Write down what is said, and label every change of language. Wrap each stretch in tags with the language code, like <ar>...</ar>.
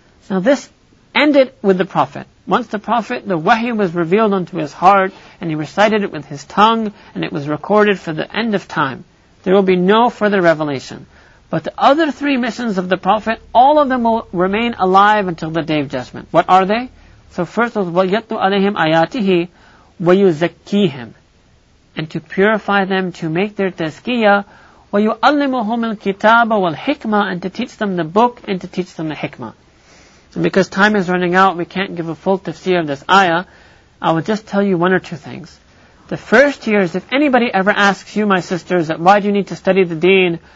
<en>Now this ended with the Prophet. Once the Prophet, the wahi was revealed unto his heart, and he recited it with his tongue, and it was recorded for the end of time. There will be no further revelation. But the other 3 missions of the Prophet, all of them will remain alive until the Day of Judgment. What are they? So first was,</en> <ar>وَيَتْلُوا عَلَيْهِمْ آيَاتِهِ وَيُزَكِّيهِمْ.</ar> <en>And to purify them, to make their tazkiyah,</en> <ar>وَيُعَلِّمُهُمُ الْكِتَابَ وَالْحِكْمَةَ.</ar> <en>And to teach them the book, and to teach them the hikmah. So because time is running out, we can't give a full tafsir of this ayah. I will just tell you 1 or 2 things. The first here is, if anybody ever asks you, my sisters, that why do you need to study the deen?</en>